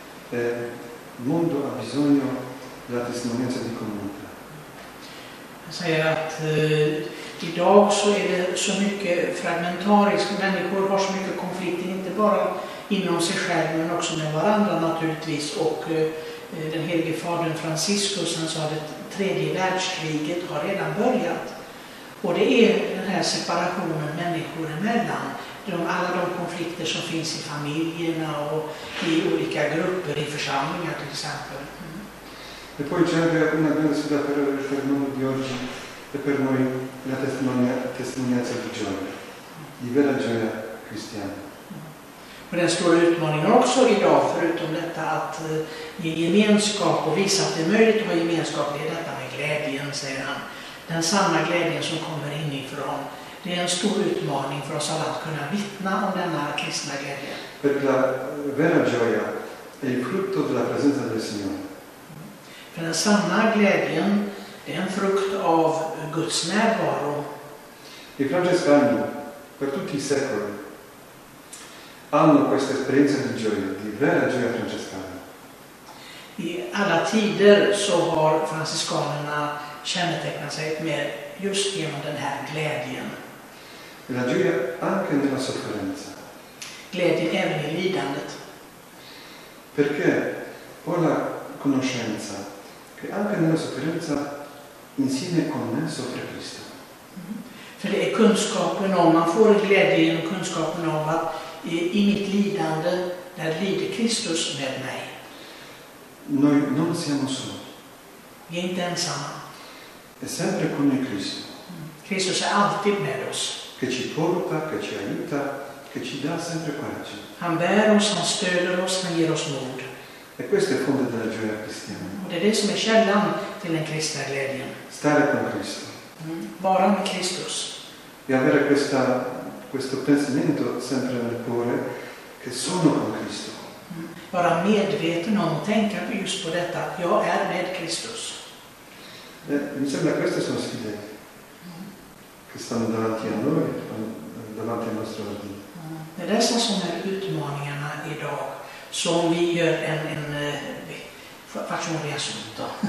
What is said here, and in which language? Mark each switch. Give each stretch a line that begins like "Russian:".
Italian: Il mondo ha bisogno della testimonianza di comunità.
Swedish: Säger att idag så är det så mycket fragmentariskt, människor har så mycket konflikter, inte bara inom sig själv men också med varandra naturligtvis. Och den helige fadern Franciscus, han sa att tredje världskriget har redan börjat. Och det är den här separationen människor emellan, alla de konflikter som finns i familjerna och i olika grupper, i församlingar till exempel.
Italian: E poi c'è anche una grande sfida per il mondo di oggi e per noi la testimonianza di gioia, di vera gioia cristiana.
Swedish: Ma den stora utmaningen också idag, förutom detta att ge gemenskap och visa att det är möjligt att ha gemenskap, det är detta med glädjen, säger han. Den sanna glädjen som kommer inifrån. Det är en stor utmaning för oss alla att kunna vittna om denna kristna glädje. För
Italian: la vera gioia è il frutto della presenza del Signore.
Swedish: För den sanna glädjen, det är en frukt av Guds närvaro.
Italian: I Francesca anni, per tutti i secoli, hanno questa esperienza di gioia, di vera gioia francescana.
Swedish: I alla tider så har franciscanerna kännetecknat sig med just genom den här glädjen.
Italian: La gioia anche nella sofferenza.
Swedish: Glädjen även i lidandet.
Italian: Perché ho la conoscenza che anche nella sofferenza insieme con me soffre Cristo.
Swedish: För det är kunskapen om, man får glädje genom kunskapen om att i mitt lidande, där lider Kristus med mig.
Italian: Noi non siamo soli.
Swedish: Vi är inte ensamma.
Italian: È sempre con noi Cristo.
Swedish: Kristus är alltid med oss.
Italian: Che ci porta, che ci aiuta, che ci dà sempre coraggio.
Swedish: Han bär oss, han stöder oss, han ger oss mod.
Italian: E questo è il fondo della gioia cristiana.
Swedish: Och det är det som är källan till den kristna glädjen.
Italian: Stare con Cristo.
Swedish: Vara med Kristus.
Italian: E avere questo pensamento sempre nel cuore che sono con Cristo.
Swedish: Vara medveten om, tänka just på detta, jag är med Kristus.
Italian: Mi sembra che queste sono sfide che stanno davanti a noi, davanti al nostro ordine.
Swedish: Det är dessa som är utmaningarna idag, som vi gör en
Italian: faccio un riassunto.